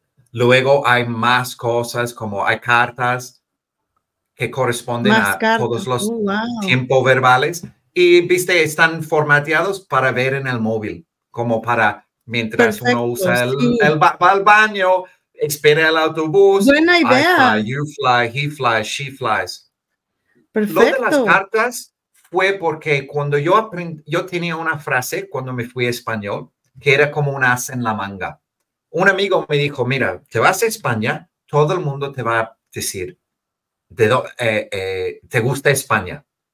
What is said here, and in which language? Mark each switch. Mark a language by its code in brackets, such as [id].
[es] Luego hay más cosas, como hay cartas que corresponden más a cartas. Todos los tiempos verbales. Y, viste, están formateados para ver en el móvil, como para mientras perfecto, uno usa va al baño, espera el autobús. Buena idea. [en] Fly, you fly, he flies, she flies. [es] Perfecto. Lo de las cartas fue porque cuando yo aprendí, yo tenía una frase cuando me fui a español, que era como un as en la manga. Un amigo me dijo, mira, te vas a España, todo el mundo te va a decir, ¿te gusta España?